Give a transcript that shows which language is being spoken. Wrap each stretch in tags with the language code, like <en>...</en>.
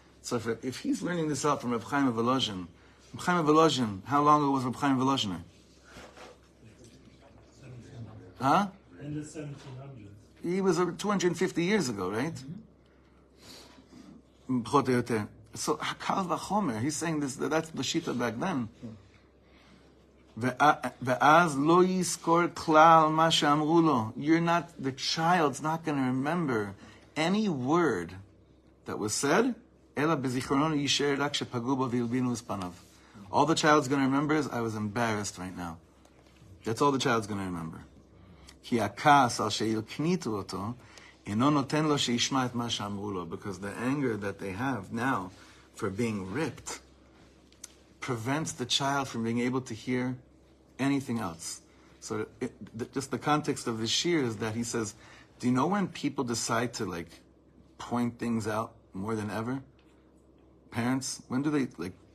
<en>So if he's learning this out from Reb Chaim of Elozhin, Reb Chaim of Elozhin, how long ago was Reb Chaim of Elozhin? In the 1700s. Huh? In the 1700s. He was 250 years ago, right? Pachot or yoter. So Hakal v'chomer, he's saying this, that's the shita back then.</en> <he>ואז לא יזכור כלל מה שאמרו לו.</he> <en>You're not, the child's not going to remember any word that was said,</en> <he>אלא בזיכרונו יישאר רק שפגעו בו והלבינו בפניו.</he> <en>All the child's going to remember is, I was embarrassed right now. That's all the child's going to remember.</en> <he>כי הכעס על שהלקניתו אותו, אינו נותן לו שישמע את מה שאמרו לו.</he> <en>Because the anger that they have now for being ripped prevents the child from being able to hear anything else. So just the context of the shir is that he says, do you know when people decide to like point things out more than ever? Parents, when do they like</en>